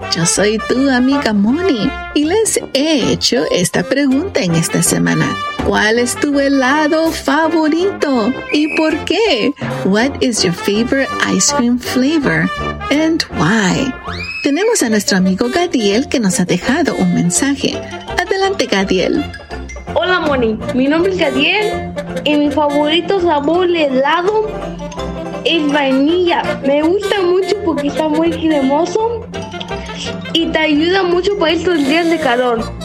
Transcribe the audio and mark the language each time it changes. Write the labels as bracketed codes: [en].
[es] Yo soy tu amiga Moni y les he hecho esta pregunta en esta semana. ¿Cuál es tu helado favorito y por qué? [en] What is your favorite ice cream flavor and why? [es] Tenemos a nuestro amigo Gadiel que nos ha dejado un mensaje. Adelante, Gadiel. Hola, Moni. Mi nombre es Gadiel y mi favorito sabor de helado es vainilla. Me gusta mucho porque está muy cremoso y te ayuda mucho para estos días de calor.